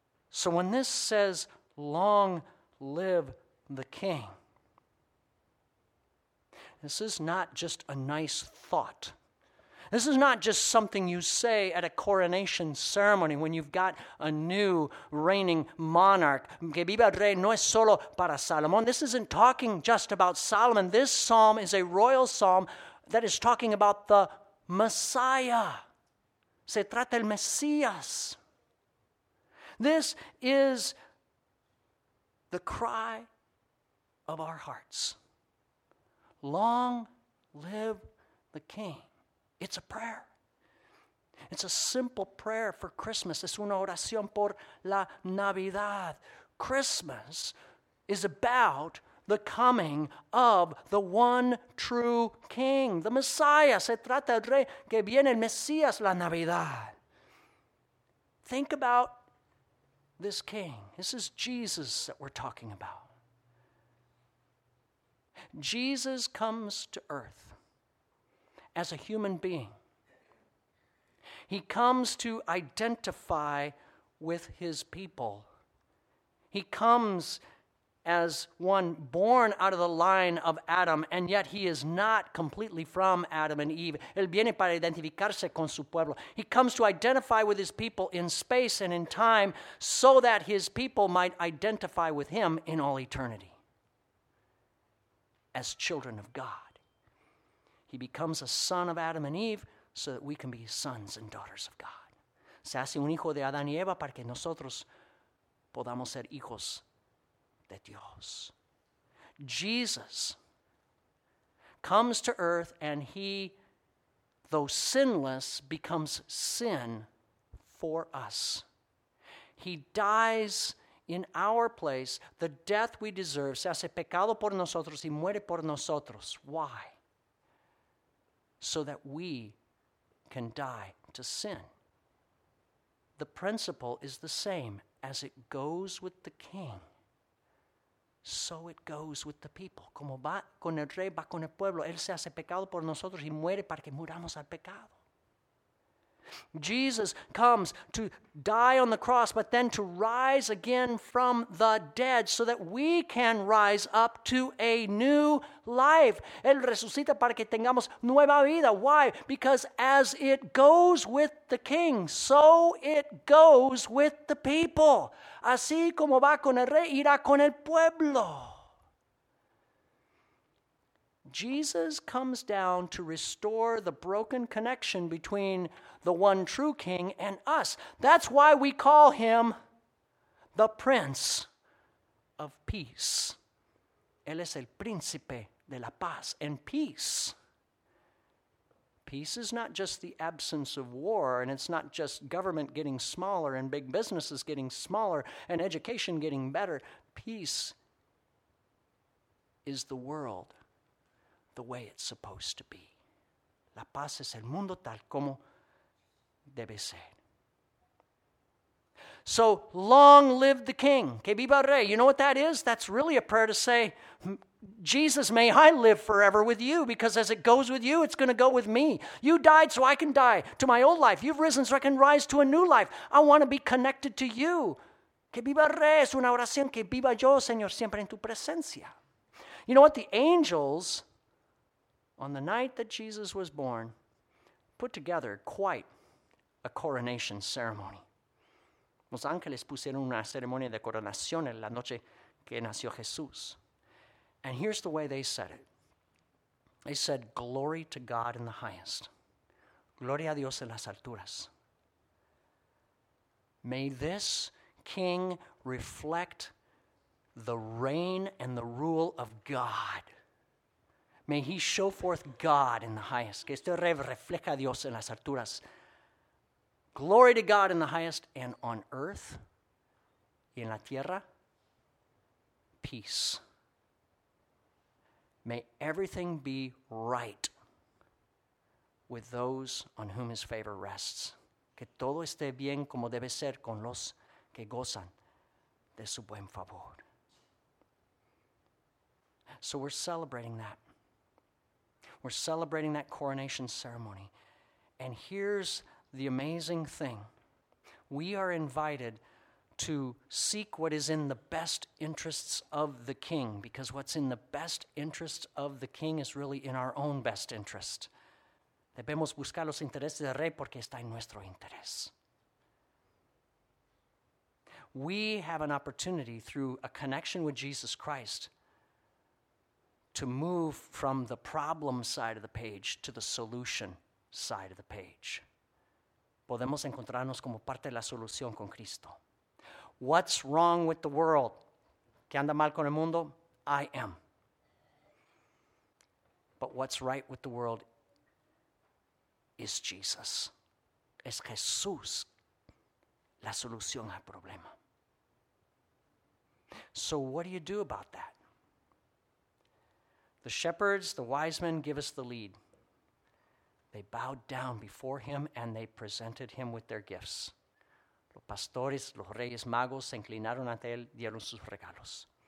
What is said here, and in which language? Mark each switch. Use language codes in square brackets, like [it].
[en] So when this says, long live the king, this is not just a nice thought. This is not just something you say at a coronation ceremony when you've got a new reigning monarch. [es] Que viva el rey no es solo para Salomón. [en] This isn't talking just about Solomon. This psalm is a royal psalm that is talking about the Messiah. [es] Se trata el Mesías. [en] This is the cry of our hearts. Long live the King. It's a prayer. It's a simple prayer for Christmas. [es] Es una oración por la Navidad. [en] Christmas is about the coming of the one true king, the Messiah. [es] Se trata del rey que viene el Mesías, la Navidad. [en] Think about this king. This is Jesus that we're talking about. Jesus comes to earth as a human being. He comes to identify with his people. He comes as one born out of the line of Adam, and yet he is not completely from Adam and Eve. [es] Él viene para identificarse con su pueblo. [en] He comes to identify with his people in space and in time so that his people might identify with him in all eternity. As children of God, he becomes a son of Adam and Eve so that we can be sons and daughters of God. [es] Se hace un hijo de Adán y Eva para que nosotros podamos ser hijos de Dios. [en] Jesus comes to earth and he, though sinless, becomes sin for us. He dies in our place, the death we deserve. [es] Se hace pecado por nosotros y muere por nosotros. [en] Why? So that we can die to sin. The principle is the same as it goes with the king. So it goes with the people. [es] Como va con el rey, va con el pueblo. Él se hace pecado por nosotros y muere para que muramos al pecado. [en] Jesus comes to die on the cross, but then to rise again from the dead so that we can rise up to a new life. [es] Él resucita para que tengamos nueva vida. [en] Why? Because as it goes with the king, so it goes with the people. [es] Así como va con el rey, irá con el pueblo. [en] Jesus comes down to restore the broken connection between the one true king and us. That's why we call him the Prince of Peace. [es] Él es el Príncipe de la Paz. [en] And peace, P piece is not just the absence of war, and it's not just government getting smaller and big businesses getting smaller and education getting better. Peace is the world the way it's supposed to be. [es] La paz es el mundo tal como debe ser. [en] So long live the king. [es] Que viva el rey. [en] You know what that is? That's really a prayer to say, Jesus, may I live forever with you, because as it goes with you, it's going to go with me. You died so I can die to my old life. You've risen so I can rise to a new life. I want to be connected to you. [es] Que viva el rey. Es una oración. Que viva yo, Señor, siempre en tu presencia. [en] You know what? The angels, on the night that Jesus was born, put together quite a coronation ceremony. [es] Los ángeles pusieron una ceremonia de coronación en la noche que nació Jesús. [en] And here's the way they said it. They said, glory to God in the highest. [es] Gloria a Dios en las alturas. [en] May this king reflect the reign and the rule of God. May he show forth God in the highest. [es] Que este rey refleja a Dios en las alturas. [en] Glory to God in the highest, and on earth, [es] y en la tierra, [en] peace. May everything be right with those on whom his favor rests. [es] Que todo esté bien como debe ser con los que gozan de su buen favor. [en] So we're celebrating that. We're celebrating that coronation ceremony. And here's the amazing thing. We are invited to seek what is in the best interests of the king, because what's in the best interests of the king is really in our own best interest. [es] Debemos buscar los intereses del rey porque está en nuestro interés. [en] We have an opportunity through a connection with Jesus Christ to move from the problem side of the page to the solution side of the page. [es] Podemos encontrarnos como parte de la solución con Cristo. [en] What's wrong with the world? [es] ¿Qué anda mal con el mundo? [en] I am. But what's right with the world is Jesus. [es] Es Jesús la solución al problema. [en] So what do you do about that? The shepherds, the wise men give us the lead. They bowed down before him and they presented him with their gifts. [es] Los pastores, los reyes magos, se inclinaron ante él, dieron sus regalos.